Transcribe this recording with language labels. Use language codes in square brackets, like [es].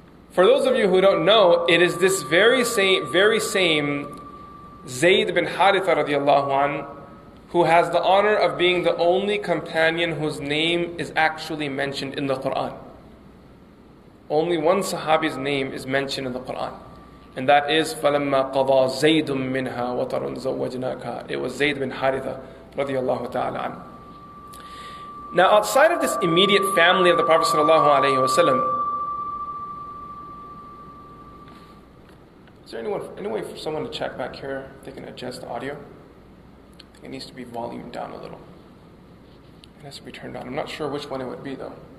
[en] For those of you who don't know, it is this very same Zayd bin Haritha radiallahu anhu who has the honor of being the only companion whose name is actually mentioned in the Quran. Only one Sahabi's name is mentioned in the Quran. And that is [ar] فَلَمَّا قَضَى زَيْدٌ مِّنْهَا وَطَرٌ زَوَّجْنَاكَ. [en] It was Zayd bin Haritha رضي الله تعالى عنه. Now outside of this immediate family of the Prophet صلى الله عليه وسلم, is there any way for someone to check back here if they can adjust the audio? I think it needs to be volumed down a little. It has to be turned on. I'm not sure which one it would be though.